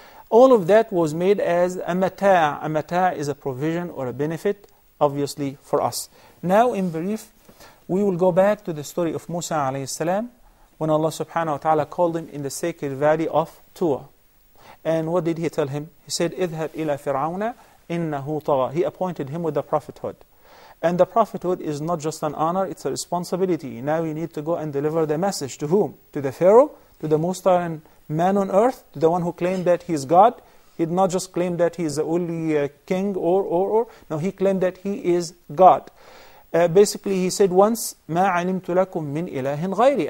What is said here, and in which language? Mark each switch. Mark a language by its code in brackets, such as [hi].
[en] All of that was made as a mata'. A mata' is a provision or a benefit, obviously, for us. Now, in brief, we will go back to the story of Musa alayhi salam, when Allah subhanahu wa ta'ala called him in the sacred valley of Tua. And what did he tell him? He said, [ar] اذهب إلى فرعون إنه طغى. [en] He appointed him with the prophethood. And the prophethood is not just an honor, it's a responsibility. Now you need to go and deliver the message to whom? To the Pharaoh? To the most tyrant man on earth? To the one who claimed that he is God? He did not just claim that he is the only king or. No, he claimed that he is God. Basically, he said once, [ar] مَا عَلِمْتُ لَكُمْ مِنْ إِلَهٍ غَيْرِي.